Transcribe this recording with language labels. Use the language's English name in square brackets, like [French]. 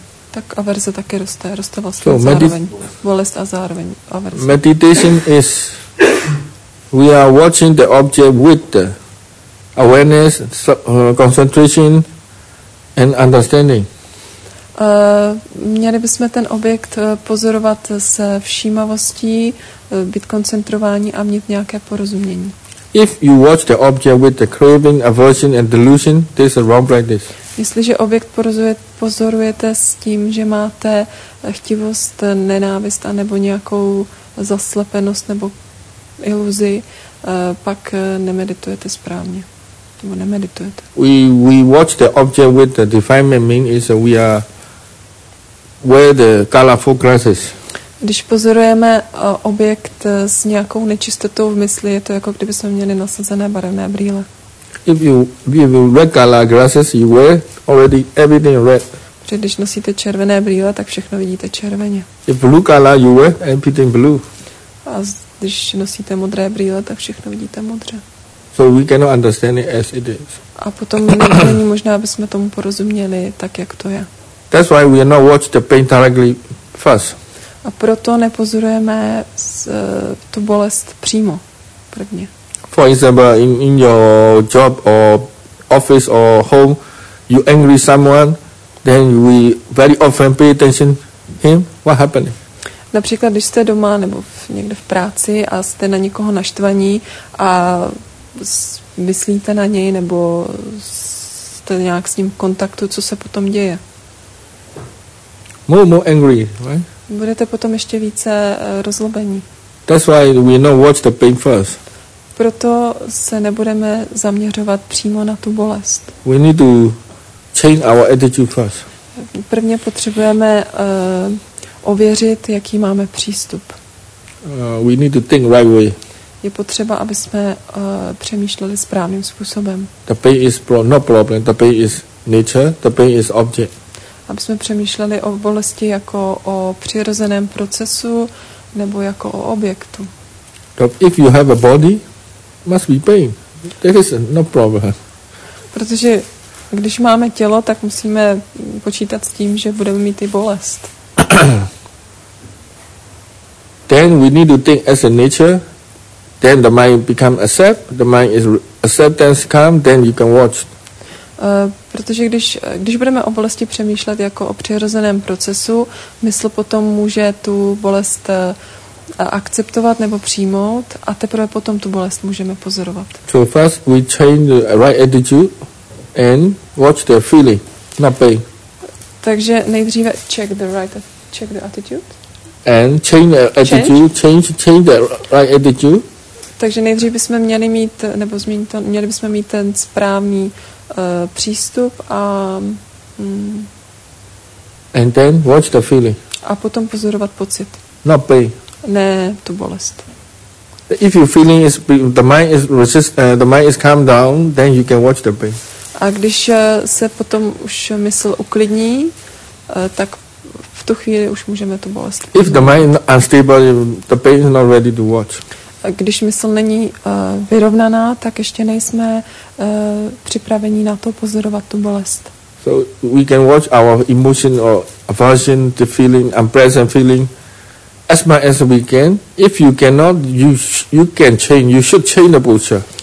[Czech] Tak averze taky roste vlastně bolest a zároveň averze. [English] Meditation is we are watching the object with the awareness, concentration and understanding. [Czech] Měli bychom ten objekt pozorovat se všímavostí, být koncentrováni a mít nějaké porozumění. [English] If you watch the object with the craving, aversion and delusion, this is a wrong practice. [Czech] Jestliže objekt pozorujete s tím, že máte chtivost, nenávist a nebo nějakou zaslepenost nebo iluzi, pak nemeditujete správně. Nebo nemeditujete. [English] We watch the object with the defilement mean is we are where the colorful glasses. [Czech] Když pozorujeme objekt s nějakou nečistotou v mysli, je to jako kdyby jsme měli nasazené barevné brýle. [English] If you red color glasses, you wear already everything red. [Czech] Protože když nosíte červené brýle, tak všechno vidíte červeně. [English] If blue color, you wear everything blue. [Czech] A když nosíte modré brýle, tak všechno vidíte modře. [English] So we cannot understand it as it is. [Czech] A potom není možná, aby jsme tomu porozuměli tak, jak to je. [English] That's why we are not watch the pain directly first. [Czech] A proto nepozorujeme tu bolest přímo prvně. [English] For example, in your job or office or home, you angry someone, then we very often pay attention him, what happened? [Czech] Například, když jste doma nebo někde v práci a jste na někoho naštvaní a myslíte na něj nebo jste nějak s ním v kontaktu, co se potom děje? [English] More angry, right? [Czech] Budete potom ještě více rozlobení. [English] That's why we not watch the pain first. [Czech] Proto se nebudeme zaměřovat přímo na tu bolest. [English] We need to change our attitude first. [Czech] Prvně potřebujeme ověřit, jaký máme přístup. [English] We need to think right away. [Czech] Je potřeba, aby jsme přemýšleli správným způsobem. [English] The pain is not problem, the pain is nature, the pain is object. [Czech] Aby jsme přemýšleli o bolesti jako o přirozeném procesu nebo jako o objektu. [English] If you have a body, must be pain. There is no problem. [Czech] Protože když máme tělo, tak musíme počítat s tím, že budeme mít i bolest. [English] Then we need to think as a nature. Then the mind become accept. The mind is acceptance come. Then you can watch. [Czech] Protože když budeme o bolesti přemýšlet jako o přirozeném procesu, mysl potom může tu bolest akceptovat nebo přijmout a teprve potom tu bolest můžeme pozorovat. [English] So first we change the right attitude and watch the feeling, not pain. [Czech] Takže nejdříve check the attitude. [English] And change the right attitude. [Czech] Takže nejdřív bychom měli mít nebo změnit to, měli bychom mít ten správný přístup a [English] And then watch the feeling. [Czech] A potom pozorovat pocit. [English] Not pain. [Czech] Ne, tu bolest. [English] If your feeling is the mind is calm down, then you can watch the pain. [Czech] A když se potom už mysl uklidní, tak v tu chvíli už můžeme tu bolest. [English] If the mind is unstable, the pain is not ready to watch. [Czech] Když mysl není vyrovnaná, tak ještě nejsme připraveni na to pozorovat tu bolest. [English] So we can watch our emotion or aversion, the feeling, unpleasant feeling as much as we can. If you cannot, you should change the posture.